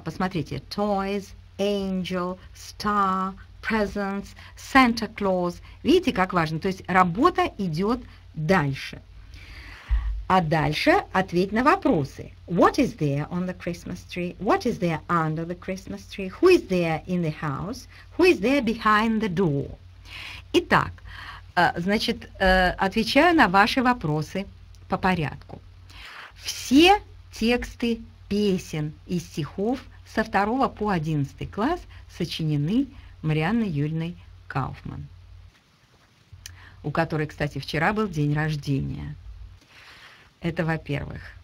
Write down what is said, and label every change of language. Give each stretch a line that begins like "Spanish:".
English: Посмотрите: toys, angel, star, presents, Santa Claus.
Russian: Видите, как важно? То есть работа идет дальше. А дальше ответь на вопросы.
English: What is there on the Christmas tree? What is there under the Christmas tree? Who is there in the house? Who is there behind the door?
Russian: Итак, значит, отвечаю на ваши вопросы по порядку. Все тексты песен и стихов со 2 по 11 класс сочинены Марианной Юрьевной Кауфман, у которой, кстати, вчера был день рождения. Это во-первых.